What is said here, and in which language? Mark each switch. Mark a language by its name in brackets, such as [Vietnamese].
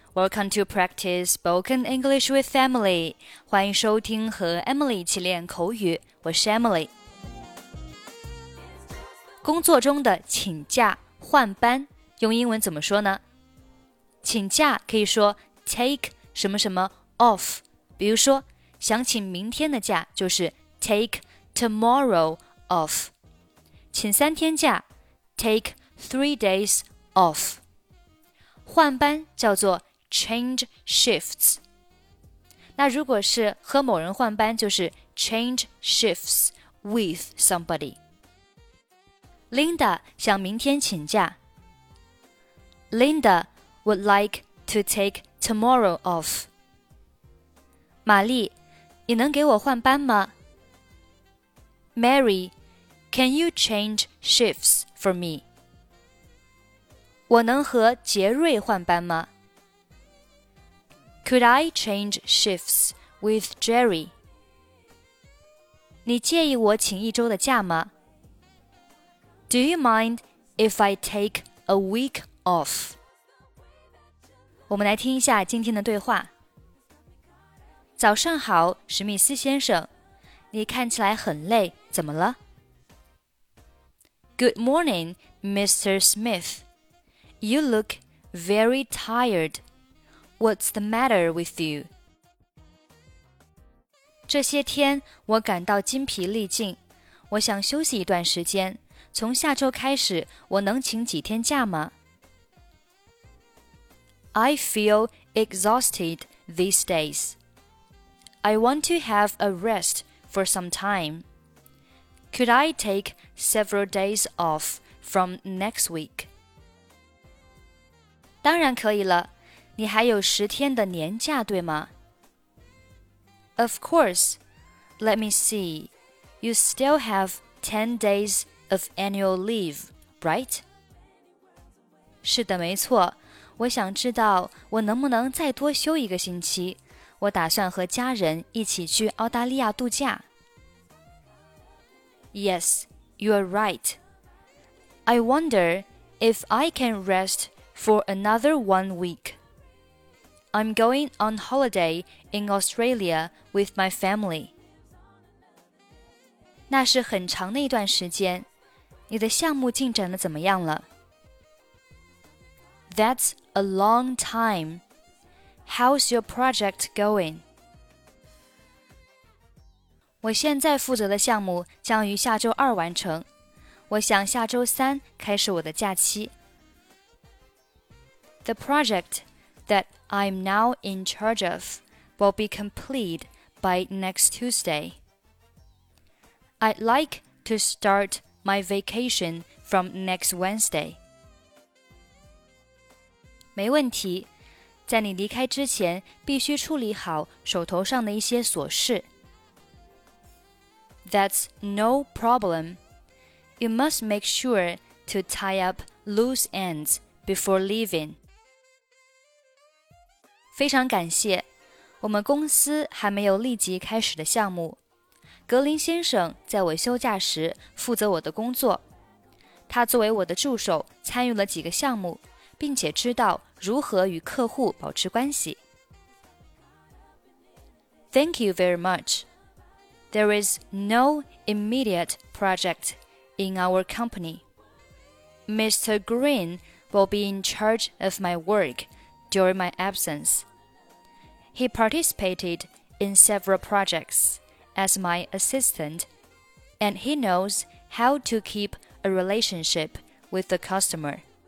[English] Welcome to Practice Spoken English with Emily. [Chinese] 欢迎收听和 Emily 一起练口语。我是 Emily。工作中的请假、换班，用英文怎么说呢？请假可以说 take 什么什么 off。比如说，想请明天的假就是 [English] take tomorrow off。 [Chinese] 请三天假 [English] take 3 days off。 [Chinese] 换班叫做 change shifts。那如果是和某人换班，就是 [English] change shifts with somebody。 [Chinese] Linda 想明天请假。 [English] Linda would like to take tomorrow off。 [Chinese] 玛丽，你能给我换班吗？ [English] Mary, can you change shifts for me? [Chinese] 我能和杰瑞换班吗？ [English] Could I change shifts with Jerry? [Chinese] 你介意我请一周的假吗？ [English] Do you mind if I take a week off? [Chinese] 我们来听一下今天的对话。早上好，史密斯先生，你看起来很累，怎么了？ [English] Good morning, Mr. Smith. You look very tired. What's the matter with you? [Chinese] 这些天我感到筋疲力尽，我想休息一段时间。从下周开始，我能请几天假吗？ [English] I feel exhausted these days. I want to have a rest for some time. Could I take several days off from next week? [Chinese] 当然可以了。你还有十天的年假，对吗？ [English] Of course. Let me see. You still have 10 days of annual leave, right? [Chinese] 是的，没错。我想知道我能不能再多休一个星期。我打算和家人一起去澳大利亚度假。 [English] Yes, you are right. I wonder if I can rest for another 1 week. I'm going on holiday in Australia with my family. [Chinese] 那是很长的一段时间。你的项目进展得怎么样了？ [English] That's a long time. How's your project going? [Chinese] 我现在负责的项目将于下周二完成。我想下周三开始我的假期。 [English] The project that I'm now in charge of will be complete by next Tuesday. I'd like to start my vacation from next Wednesday. [Chinese] 没问题。在你离开之前，必须处理好手头上的一些琐事。 [English] That's no problem. You must make sure to tie up loose ends before leaving. [Chinese] 非常感谢，我们公司还没有立即开始的项目。格林先生在我休假时负责我的工作，他作为我的助手参与了几个项目，并且知道如何与客户保持关系。 [English] Thank you very much. There is no immediate project in our company. Mr. Green will be in charge of my work during my absence. He participated in several projects as my assistant, and he knows how to keep a relationship with the customer.